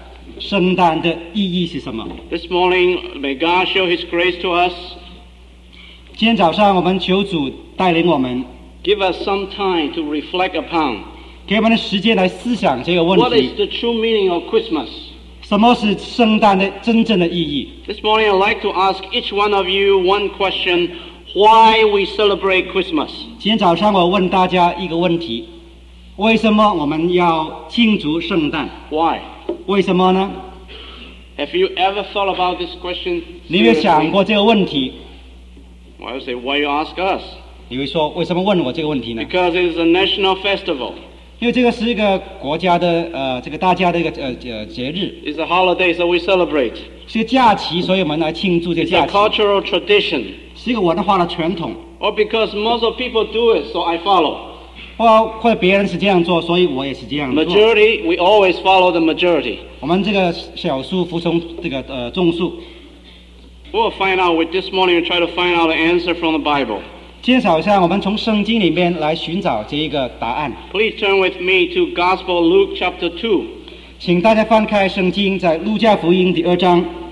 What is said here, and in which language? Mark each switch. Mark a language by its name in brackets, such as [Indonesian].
[Chinese] 好像是没有时间来想一想圣诞的意义是什么。 [English] This morning, may God show his grace to us. [Chinese] 今天早上我们求主带领我们, [English] give us some time to reflect upon. [Chinese] 给我们时间来思想这个问题, [English] what is the true meaning of Christmas? [Chinese] 什么是圣诞的真正的意义? [English] This morning I'd like to ask each one of you one question, why we celebrate Christmas? [Chinese] 今天早上我问大家一个问题, 为什么我们要庆祝圣诞? [English] Why? [Chinese] 为什么呢? [English] Have you ever thought about this question? [Chinese] 你有没有想过这个问题? [English] Well, I would say, why you ask us? [Chinese] 你会说为什么问我这个问题呢? [English] Because it is a national festival. [Chinese] 因为这个是一个国家的, 这个大家的一个节日。 [English] It's a holiday, so we celebrate. [Chinese] 是个假期, 所以我们来庆祝这个假期。 [English] It's a cultural tradition. [Chinese] 是一个文化的传统。 [English] Or because most of people do it, so I follow. [Chinese] 或者别人是这样做, 所以我也是这样做。 [English] Majority, we always follow the majority. [Chinese] 我们这个小数服从这个, 众数。 [English] We'll find out, this morning we'll try to find out the answer from the Bible. [Chinese] 今天早上我们从圣经里面来寻找这一个答案。 [English] Please turn with me to Gospel Luke chapter 2. [Chinese] 请大家翻开圣经在路加福音第二章。